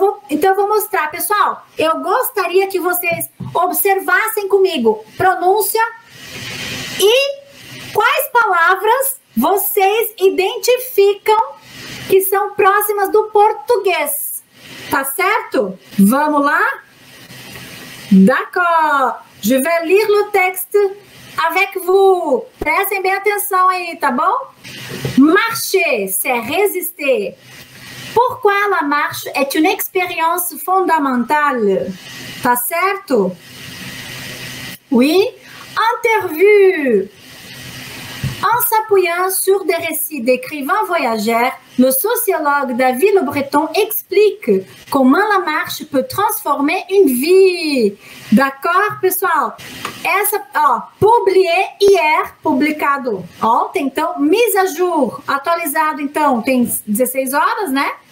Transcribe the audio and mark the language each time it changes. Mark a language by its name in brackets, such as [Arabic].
[Portuguese] Então eu vou mostrar, pessoal. Eu gostaria que vocês observassem comigo pronúncia e quais palavras vocês identificam que são próximas do português, tá certo? Vamos lá? D'accord. [French] Je vais lire le texte avec vous. [Portuguese] Prestem bem atenção aí, tá bom? [French] Marcher, c'est résister. Pourquoi la marche est une expérience fondamentale? [Portuguese] Tá certo? [French] Oui. Interview. En s'appuyant sur des récits d'écrivains voyageurs, le sociologue David Le Breton explique comment la marche peut transformer une vie. [Portuguese] D'accord, pessoal? Essa, ó, [French] publié hier, [Portuguese] publicado ontem, então, [French] mise à jour, [Portuguese] atualizado, então, tem 16 horas, né?